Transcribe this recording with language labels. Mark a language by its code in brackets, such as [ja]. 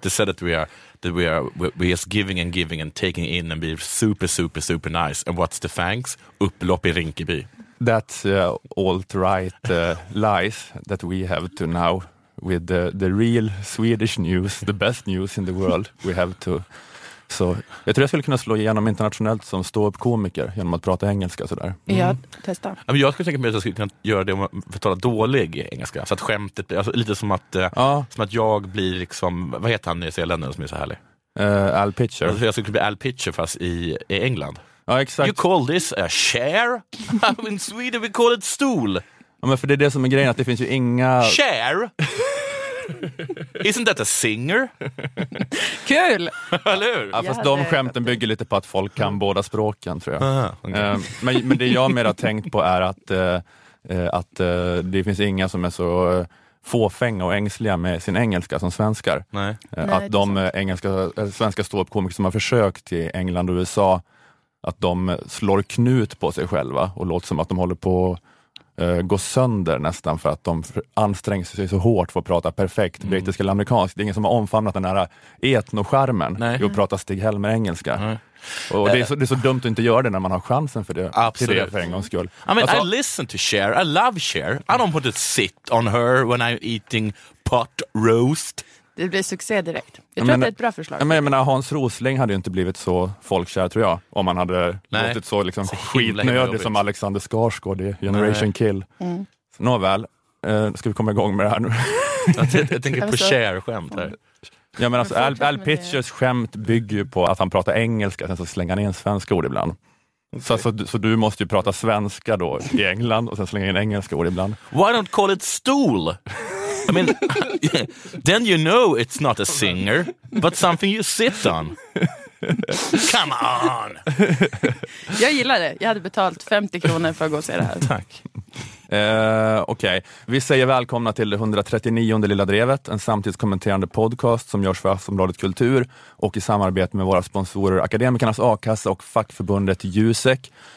[en] They said that we are giving and giving and taking in and be super super super nice. And what's the thanks? [sv] Upplopp i Rinkeby. [en] That's alt-right lies that we have to now with the real Swedish news, the best news in the world. We have to. [sv] Så jag tror jag skulle kunna slå igenom internationellt som stå-upp-komiker genom att prata engelska sådär. Mm. Ja, testa. Jag skulle tänka mig att jag skulle kunna göra det om jag talar dålig engelska. Så att skämtet blir, alltså, lite som att jag blir liksom, vad heter han i Zeeland som är så härlig? Al Pitcher. Alltså, jag skulle bli Al Pitcher fast i England. Ja, exakt. [en] You call this a chair? In Sweden we call it stool. [sv] Ja, men för det är det som är grejen, att det finns ju inga... [en] Chair? Isn't that a singer? [sv] Kul! Eller hur? Ja, fast de skämten bygger lite på att folk kan båda språken, tror jag. Aha, okay. Men det jag mer har tänkt på är att det finns inga som är så fåfänga och ängsliga med sin engelska som svenskar. Nej. Att de svenska ståuppkomiker som har försökt i England och USA, att de slår knut på sig själva och låter som att de håller på gå sönder nästan för att de anstränger sig så hårt för att prata perfekt brittisk eller amerikansk. Det är ingen som har omfamnat den här etnoskärmen i att prata Stig Helmer engelska. Mm. Och det är så dumt att inte göra det när man har chansen för det. Absolut. Det för en gångs skull. [en] I mean, alltså, I listen to Cher. I love Cher. I don't put a sit on her when I'm eating pot roast. [sv] Det blir succé direkt. Jag tror att det är ett bra förslag. Jag menar, Hans Rosling hade ju inte blivit så folkkär, tror jag, om han hade låtit så, liksom, så skitnödig som Alexander Skarsgård i Generation Kill. Mm. Nåväl, ska vi komma igång med det här nu? jag tänker på Cher-skämt här. Ja, men alltså, Al Pitchers skämt bygger ju på att han pratar engelska, sen så slänger han in svenska ord ibland. Okay. Så du måste ju prata svenska då i England och sen slänga in engelska ord ibland. [en] Why don't call it stool? I mean, then you know it's not a singer, but something you sit on. Come on! [sv] Jag gillar det. Jag hade betalt 50 kronor för att gå och se det här. Tack. Okej. Okay. Vi säger välkomna till det 139:e Lilla Drevet, en samtidskommenterande podcast som görs för Aftonbladet Kultur och i samarbete med våra sponsorer Akademikernas A-kassa och fackförbundet Jusek.